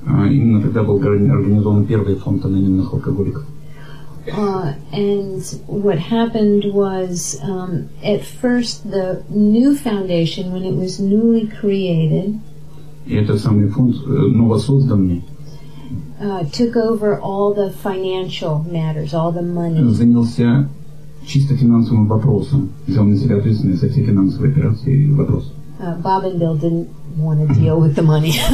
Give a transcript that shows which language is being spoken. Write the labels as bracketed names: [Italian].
[Russian] Именно тогда был организован первый фонд анонимных алкоголиков. [English] And what happened was, at first the new foundation, when it was newly created, [Russian] и этот самый фонд, новосозданный, [English] took over all the financial matters, all the money. [Russian] Занялся чисто финансовым вопросом, взял на себя ответственность за все финансовые операции и вопросы. [English] Bob and Bill didn't want to deal with the money.